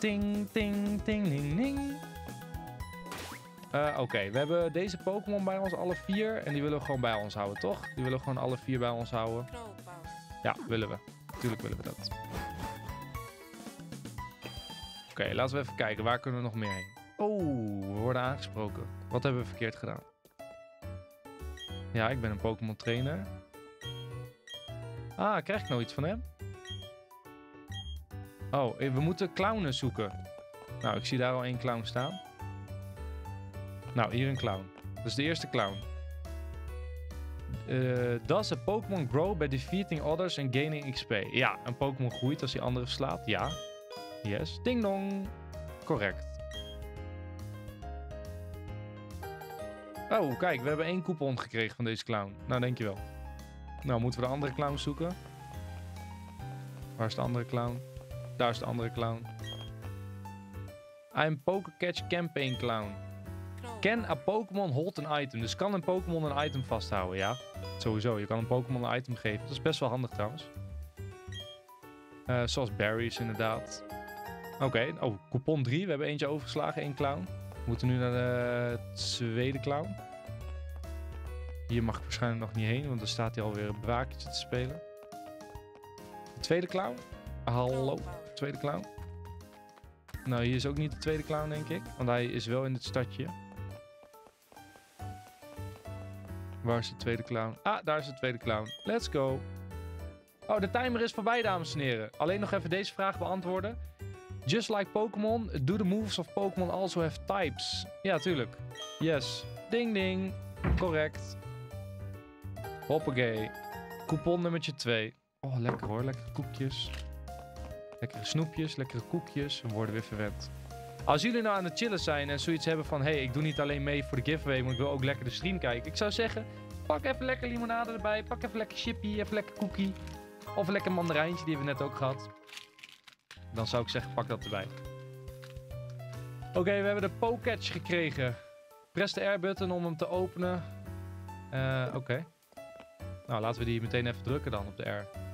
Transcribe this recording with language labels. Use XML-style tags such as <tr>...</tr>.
<nl>Ting, ting, ting, ting, ting. Oké, we hebben deze Pokémon bij ons alle vier. En die willen we gewoon bij ons houden, toch? Die willen we gewoon alle vier bij ons houden. Ja, willen we. Natuurlijk willen we dat. Oké, laten we even kijken. Waar kunnen we nog meer heen? Oh, we worden aangesproken. Wat hebben we verkeerd gedaan? Ja, ik ben een Pokémon trainer. Ah, krijg ik nou iets van hem? Oh, we moeten clownen zoeken. Nou, ik zie daar al één clown staan. Nou, hier een clown. Dat is de eerste clown.</nl> <en>Does a Pokémon grow by defeating others and gaining XP?</en> <nl>Ja, een Pokémon groeit als die andere slaat.</nl> <en>Ja. Yes. Ding dong. Correct.</en> <nl>Oh, kijk. We hebben één coupon gekregen van deze clown. Nou, dankjewel. Nou, moeten we de andere clown zoeken? Waar is de andere clown? Daar is de andere clown.</nl> <en>I'm Pokécatch Campaign Clown. Can a Pokémon hold an item?</en> <nl>Dus kan een Pokémon een item vasthouden, ja? Sowieso, je kan een Pokémon een item geven. Dat is best wel handig trouwens. Zoals berries inderdaad. Oké, coupon 3. We hebben eentje overgeslagen, één clown. We moeten nu naar de tweede clown. Hier mag ik waarschijnlijk nog niet heen, want dan staat hij alweer een braakje te spelen. De tweede clown? Hallo, tweede clown. Nou, hier is ook niet de tweede clown, denk ik. Want hij is wel in het stadje. Waar is de tweede clown? Ah, daar is de tweede clown.</nl> <en>Let's go.</en> <nl>Oh, de timer is voorbij, dames en heren. Alleen nog even deze vraag beantwoorden.</nl> <en>Just like Pokémon, do the moves of Pokémon also have types?</en> <nl>Ja, tuurlijk. Yes. Ding, ding. Correct. Hoppakee. Coupon nummertje 2. Oh, lekker hoor. Lekkere koekjes. Lekkere snoepjes, lekkere koekjes. We worden weer verwend. Als jullie nou aan het chillen zijn en zoiets hebben van... Hey, ik doe niet alleen mee voor de giveaway, maar ik wil ook lekker de stream kijken. Ik zou zeggen, pak even lekker limonade erbij. Pak even lekker chippy, even lekker cookie. Of lekker mandarijntje, die hebben we net ook gehad. Dan zou ik zeggen, pak dat erbij. Oké, we hebben de Pokécatch gekregen. Press de R-button om hem te openen. Oké. Nou, laten we die meteen even drukken dan op de R.</nl>